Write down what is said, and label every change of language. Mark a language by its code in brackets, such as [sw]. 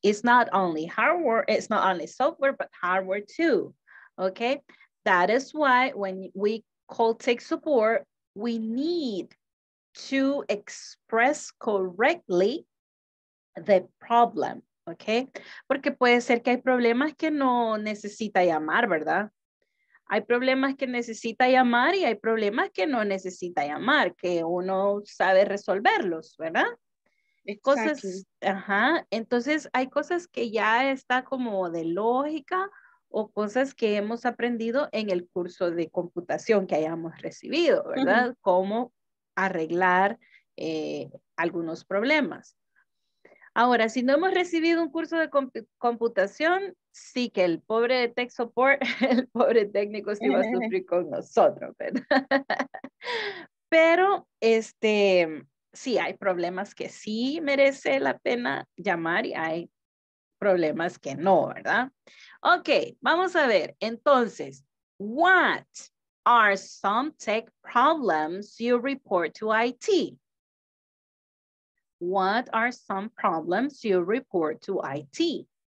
[en] It's not only hardware, it's not only software, but hardware too, okay? That is why when we call tech support, we need to express correctly the problem, okay? [es] Porque puede ser que hay problemas que no necesita llamar, ¿verdad? Hay problemas que necesita llamar y hay problemas que no necesita llamar, que uno sabe resolverlos, ¿verdad? Cosas, ajá, entonces hay cosas que ya está como de lógica o cosas que hemos aprendido en el curso de computación que hayamos recibido, ¿verdad? Uh-huh. Cómo arreglar algunos problemas. Ahora, si no hemos recibido un curso de computación, sí que el pobre tech support, el pobre técnico sí va a sufrir con nosotros, ¿verdad? Pero, sí, hay problemas que sí merece la pena llamar y hay problemas que no, ¿verdad? Ok, vamos a ver. [en] Entonces, what are some tech problems you report to IT? What are some problems you report to IT?